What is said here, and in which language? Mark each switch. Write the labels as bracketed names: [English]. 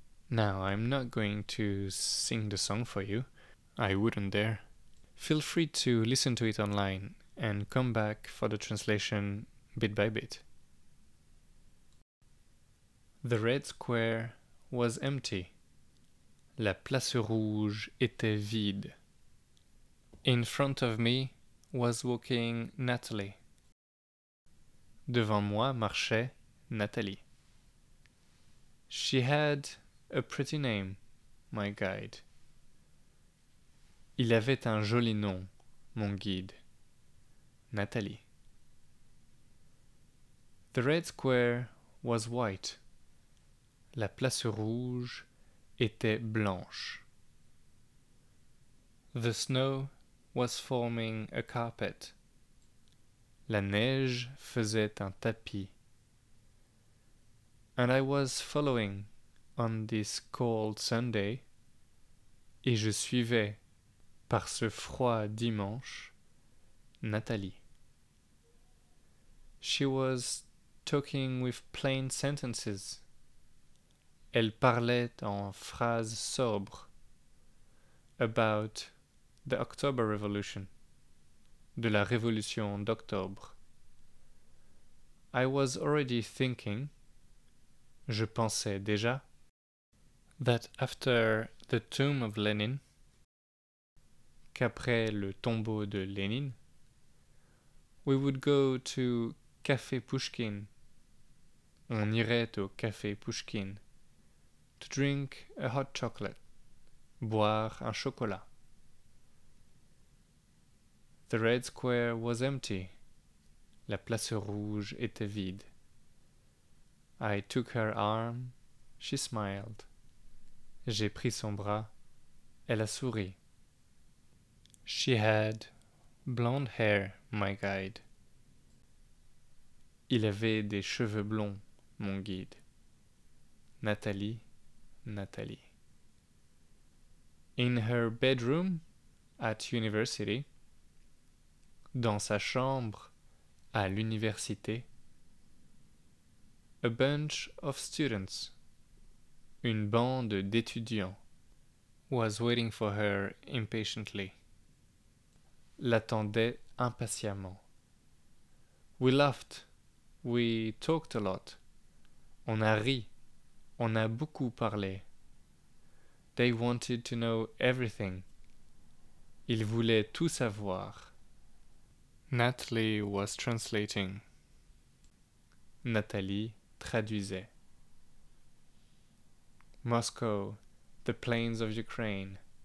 [English] Now, I'm not going to sing the song for you. I wouldn't dare. Feel free to listen to it online and come back for the translation bit by bit. The red square was empty. [French] La place rouge était vide. [English] In front of me was walking Nathalie. [French] Devant moi marchait Nathalie. [English] She had a pretty name, my guide. [French] Il avait un joli nom, mon guide, Nathalie. [English] The red square was white. [French] La place rouge était blanche. [English] The snow was forming a carpet. [French] La neige faisait un tapis. [English] And I was following on this cold Sunday. [French] Et je suivais par ce froid dimanche, Nathalie. [English] She was talking with plain sentences. [French] Elle parlait en phrases sobres [English] about the October Revolution, [French] de la Révolution d'Octobre. [English] I was already thinking, [French] je pensais déjà, [English] that after the tomb of Lenin, [French] qu'après le tombeau de Lénine, [English] we would go to Café Pushkin. [French] On irait au Café Pushkin [English] to drink a hot chocolate, [French] boire un chocolat. [English] The red square was empty. [French] La place rouge était vide. [English] I took her arm. She smiled. [French] J'ai pris son bras. Elle a souri. [English] She had blonde hair, my guide. [French] Il avait des cheveux blonds, mon guide. Nathalie, Nathalie. [English] In her bedroom at university. [French] Dans sa chambre à l'université. [English] A bunch of students. [French] Une bande d'étudiants. [English] Was waiting for her impatiently. [French] L'attendait impatiemment. [English] We laughed. We talked a lot. [French] On a ri. On a beaucoup parlé. [English] They wanted to know everything. [French] Ils voulaient tout savoir. [English] Nathalie was translating. [French] Nathalie traduisait. [English] Moscow, the plains of Ukraine.